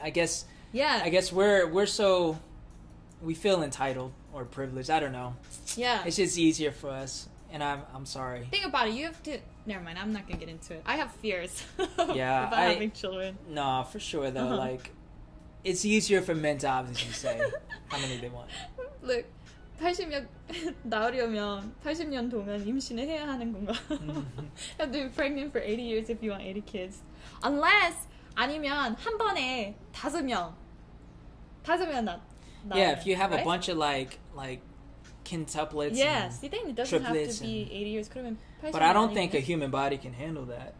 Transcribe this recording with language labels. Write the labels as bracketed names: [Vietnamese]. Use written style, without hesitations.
[English] I guess we're so, we feel entitled or privileged. I don't know. Yeah. It's just easier for us. And I'm sorry. Think about it. You have to. Never mind. I'm not gonna get into it. I have fears. Yeah. About I, having children. No, for sure though. Uh-huh. Like, it's easier for men to obviously say how many they want. Look, [Korean] 80년 나으려면 80년 동안 임신을 해야 하는 건가? [English] You have to be pregnant for 80 years if you want 80 kids. Unless [Korean] 아니면 한 번에 5명 낳. [English] Yeah. If you have right? a bunch of like. Quintuplets. Yes, you think it doesn't have to be 80 years. But I don't think a human body can handle that.